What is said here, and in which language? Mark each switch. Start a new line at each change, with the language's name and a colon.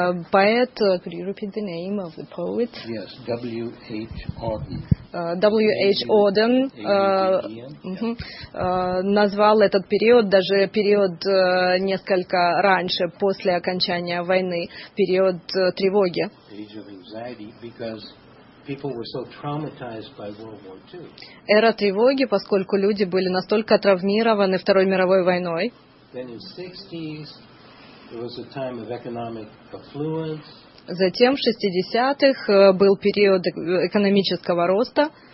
English: Poet, could you repeat the name of the poet? Yes, W. H. Auden. W. H.
Russian: Auden назвал этот период, даже период несколько раньше, после окончания войны, период тревоги.
English: Age of anxiety, because people were so traumatized by World War II.
Russian: Эра тревоги, поскольку люди были настолько травмированы Второй мировой войной.
English: Then in the 60s, there was a time of economic affluence.
Russian: Затем, в 60-х, был период экономического роста.